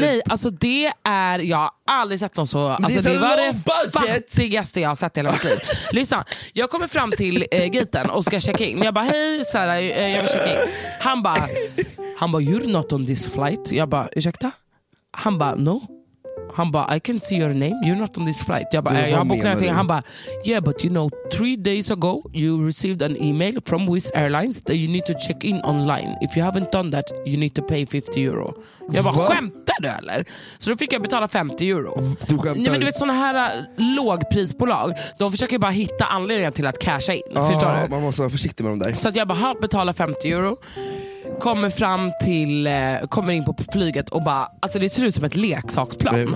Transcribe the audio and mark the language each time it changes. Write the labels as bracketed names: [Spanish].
[Swedish] Nej, alltså det är, jag har aldrig sett någon så. Alltså, det var det fattigaste jag har sett hela tiden. Lyssna, jag kommer fram till gaten och ska checka in. Jag bara, hej, sådär, jag vill checka in. Han bara, [English] you're not on this flight. [Swedish] Jag bara, ursäkta? Han bara, no. Han bara, [English] I can't see your name. You're not on this flight. [Swedish] Jag bara, jag har bokat någonting. Han bara, [English] yeah, but you know, 3 days ago you received an email from Wizz Airlines that you need to check in online. If you haven't done that, you need to pay 50 euro. [Swedish] Jag bara, skämtar du eller? Så då fick jag betala 50 euro. Du skämtar. Nej, men du vet, sådana här lågprisbolag, de försöker bara hitta anledningar till att casha in. Förstår du? Man måste vara försiktig med dem där. Så att jag bara, betala 50 euro. kommer fram till kommer in på flyget och bara, alltså det ser ut som ett leksaksplan.